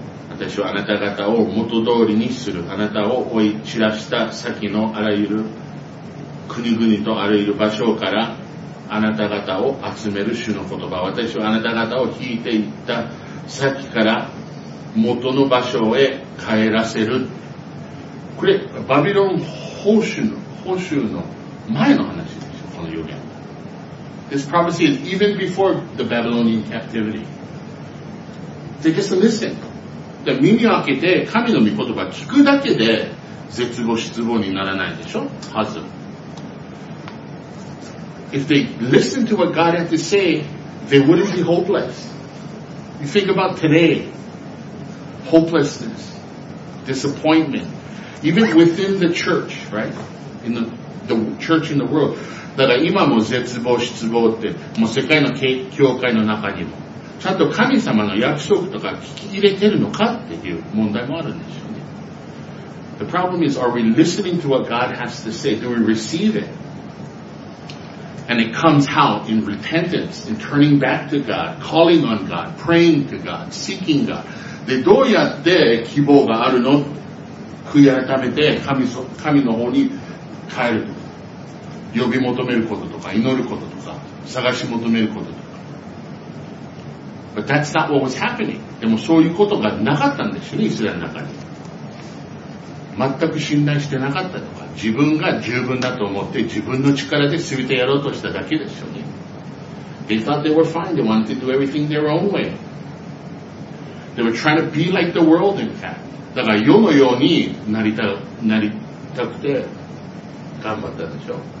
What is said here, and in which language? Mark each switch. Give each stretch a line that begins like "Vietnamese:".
Japanese: 私はあなた方を元通りにする。あなたを追い散らした先のあらゆる国々とあらゆる場所からあなた方を集める主の言葉。私はあなた方を引いていった先から元の場所へ帰らせる。これバビロン捕囚の前の話ですよ、この予言。
English: This prophecy is even before the Babylonian captivity. They just listen.
Japanese: 耳を開けて神の御言葉を聞くだけで絶望失望にならないでしょ。はず。
English: If they listen to what God had to say, they wouldn't be hopeless. You think about today, hopelessness, disappointment, even within the church, right? In the church in the world.
Japanese: だから今も絶望失望って、もう世界の教会の中にも。ちゃんと神様の約束とか聞き入れてるのかっていう問題もあるんですよね。
English: The problem is, are we listening to what God has to say? Do we receive it? And it comes out in repentance, in turning back to God, calling on God, praying to God, seeking God.
Japanese: で、どうやって希望があるの?悔い改めて神の方に帰るとか、呼び求めることとか、祈ることとか、探し求めることとか。
English: But that's not what was happening.
Japanese: でもそういうことがなかったんですよね、イスラエルの中に。全く信頼してなかったとか、自分が十分だと思って自分の力で全てやろうとしただけですよね。
English: They thought they were fine. They wanted to do everything their own way. They were trying to be like the world, in fact.
Japanese: だから世のようになりた、なりたくて頑張ったでしょ。